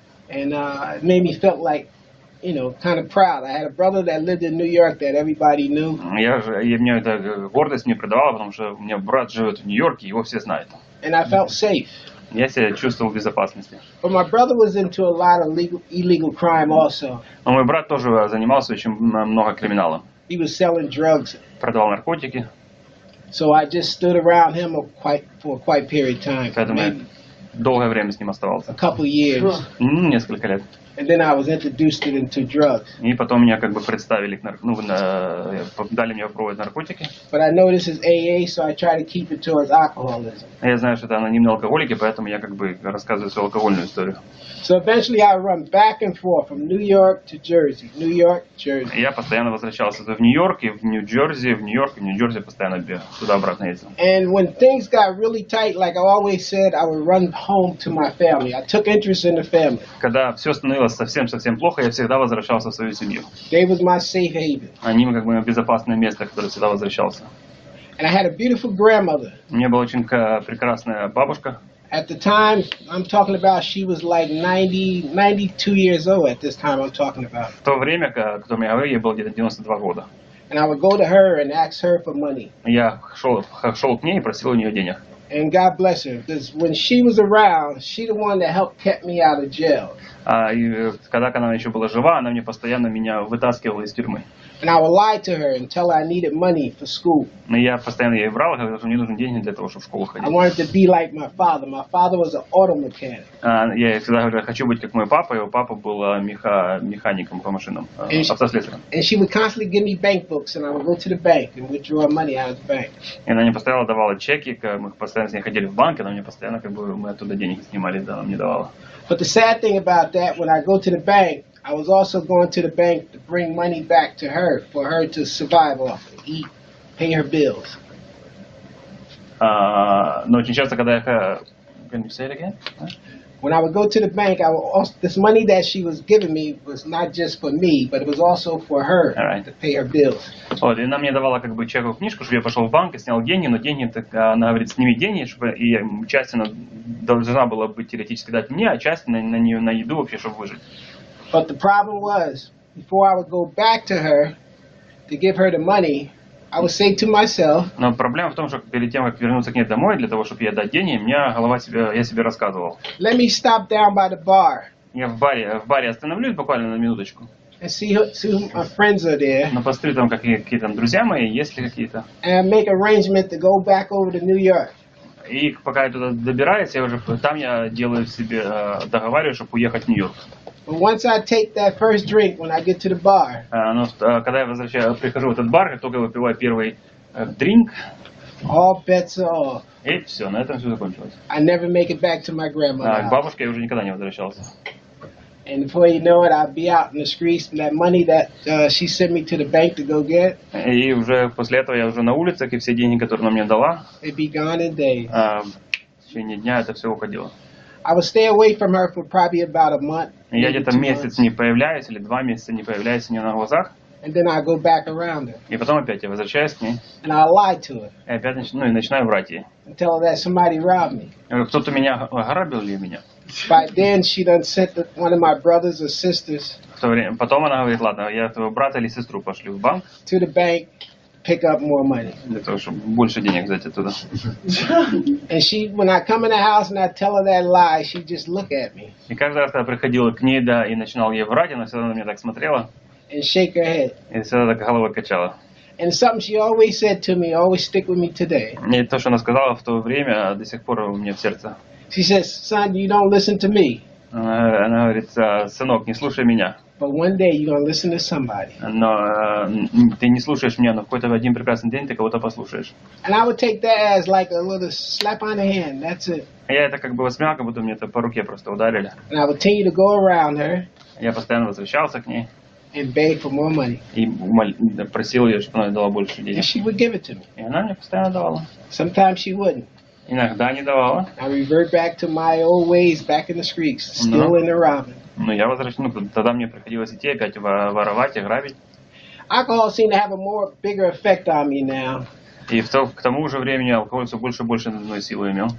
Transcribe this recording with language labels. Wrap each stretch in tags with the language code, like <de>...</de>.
<en>And it made me felt like, you know, kind of proud. I had a brother that lived in New York that everybody knew.</en> <ru>Я мне эта гордость не придавала, потому что у меня брат живет в Нью-Йорке, его все знают.</ru> <en>And I felt safe.</en> <ru>Я себя чувствовал в безопасности.</ru> <en>But my brother was into a лот of illegal crime also.</en> <ru>А мой брат тоже занимался очень много криминалом.</ru> <en>He was selling drugs.</en> <ru>Продавал наркотики.</ru> <en>So I just stood around him for quite a period of time.</en> <ru>Поэтому я долгое время с ним оставался.</ru> <en>A couple years.</en> <ru>Несколько лет.</ru> <en>And then I was introduced into drugs.</en> <ru>И потом меня как бы представили к дали мне попробовать наркотики.</ru> <en>But I know this is AA, so I try to keep it towards alcoholism.</en> <ru>Я знаю, что это анонимные алкоголики, поэтому я как бы рассказываю свою алкогольную историю.</ru> <en>So eventually I run back and forth from New York to Jersey, New York, Jersey.</en> <ru>Я постоянно возвращался в Нью-Йорк и в Нью-Джерси, в Нью-Йорк и Нью-Джерси постоянно туда обратно ездил.</ru> <en>And when things got really tight, like I always said, I would run home to my family. I took interest in the family.</en> <ru>Когда все совсем-совсем плохо, я всегда возвращался в свою семью.</ru> <en>They was my safe haven.</en> <ru>Они как бы безопасное место, которое всегда возвращался.</ru> <en>And I had a beautiful grandmother.</en> <ru>У меня была очень прекрасная бабушка.</ru> <en>At the time, I'm talking about, she was like 92 years old at this time I'm talking about.</en> <ru>В то время, когда я говорил, ей было где-то 92 года.</ru> <en>And I would go to her and ask her for money.</en> <ru>Я шел к ней и просил у нее денег.</ru> <en>And God bless her, because when she was around, she the one that helped kept me out of jail.</en> <ru>И когда она еще была жива, она мне постоянно меня вытаскивала из тюрьмы.</ru> <en>And I would lie to her and tell her I needed money for school.</en> <ru>Но я постоянно ей врал, говорил, что мне нужны деньги для того, чтобы в школу ходить.</ru> <en>I wanted to be like my father. My father was an auto mechanic.</en> <ru>Я всегда говорю, хочу быть как мой папа. Его папа был механиком по машинам, автослесарем.</ru> <en>And she would constantly give me bank books, and I would go to the bank and withdraw money out of the bank.</en> <ru>И она мне постоянно давала чеки, мы постоянно с ней ходили в банк, она мне постоянно как бы мы оттуда денег снимали, да, она мне давала.</ru> <en>But the sad thing about that, when I go to the bank, I was also going to the bank to bring money back to her, for her to survive off, eat, pay her bills.</en> <ru>Но очень часто, когда я...</ru> <en>Can you say it again? When I would go to the bank, I would also, this money that she was giving me was not just for me, but it was also for her to pay her bills.</en> <ru>Вот, и она мне давала как бы чековую книжку, чтобы я пошел в банк и снял деньги, но деньги, так, она говорит, сними деньги, чтобы и часть она должна была быть теоретически дать мне, а часть на нее на еду вообще, чтобы выжить.</ru> <en>But the problem was, before I would go back to her to give her the money, I would say to myself.</en> <ru>Но проблема в том, что перед тем, как вернуться к ней домой, для того, чтобы ей дать деньги, я себе рассказывал.</ru> <en>Let me stop down by the bar.</en> <ru>Я в баре остановлюсь буквально на минуточку.</ru> <en>And see who my friends are there.</en> <ru>Но посмотри там, какие там друзья мои, есть ли какие-то.</ru> <en>And make arrangement to go back over to New York.</en> <ru>И пока я туда добираюсь, я уже там я делаю себе договариваю, чтобы уехать в Нью-Йорк.</ru> <en>But once I take that first drink when I get to the bar.</en> <ru>Когда я возвращаюсь, прихожу в этот бар, как только выпиваю первый drink.</ru> <en>All bets are off.</en> <ru>И все, на этом все закончилось.</ru> <en>I never make it back to my grandma's house.</en> <ru>К бабушке я уже никогда не возвращался.</ru> <en>And before you know it, I'd be out in the streets, and that money that she sent me to the bank to go get.</en> <ru>И уже после этого я уже на улицах, и все деньги, которые она мне дала.</ru> <en>It'd be gone in days.</en> <ru>В течение дня это все уходило.</ru> <en>I would stay away from her for probably about a month.</en> <ru>Я где-то месяц не появляюсь или два месяца не появляюсь у нее на глазах.</ru> <en>And then I go back around her.</en> <ru>И потом опять я возвращаюсь к ней.</ru> <en>And I lie to her.</en> <ru>И опять и начинаю врать ей.</ru> <en>And tell her that somebody robbed me.</en> <ru>Кто-то меня ограбил или меня?</ru> <en>By then she done sent one of my brothers or sisters.</en> <ru>Потом она говорит, ладно, я твоего брата или сестру пошлю в банк.</ru> <en>To the bank, pick up more money.</en> <ru>Для того, чтобы больше денег взять оттуда.</ru> <en>And she, when I come in the house and I tell her that lie, she just look at me.</en> <ru>И каждый раз, когда приходила к ней, да, и начинал ей врать, она всегда на меня так смотрела.</ru> <en>And shake her head.</en> <ru>И всегда так головой качала.</ru> <en>And something she always said to me, always stick with me today.</en> <ru>И то, что она сказала в то время, до сих пор у меня в сердце.</ru> <en>She says, "Son, you don't listen to me."</en> <ru>Она говорит, сынок, не слушай меня.</ru> <en>But one day you're gonna listen to somebody.</en> <ru>Но ты не слушаешь меня, но в какой-то один прекрасный день ты кого-то послушаешь.</ru> <en>And I would take that as like a little slap on the hand. That's it.</en> <ru>Я это как бы воспринял, как будто мне это по руке просто ударили.</ru> <en>And I would tell you to go around her.</en> <ru>Я постоянно возвращался к ней.</ru> <en>And beg for more money.</en> <ru>И просил ее, чтобы она дала больше денег.</ru> <en>And she would give it to me.</en> <ru>И она мне постоянно давала.</ru> <en>Sometimes she wouldn't.</en> <ru>Иногда не давала.</ru> <en>I revert back to my old ways, back in the streets, still in the robbing.</en> <ru>Ну я возвращаюсь, ну тогда мне приходилось идти опять воровать и грабить.</ru> <en>Alcohol seemed to have a more bigger effect on me now.</en> <ru>И к тому же времени алкоголь все больше и больше надо мной силу имел.</ru>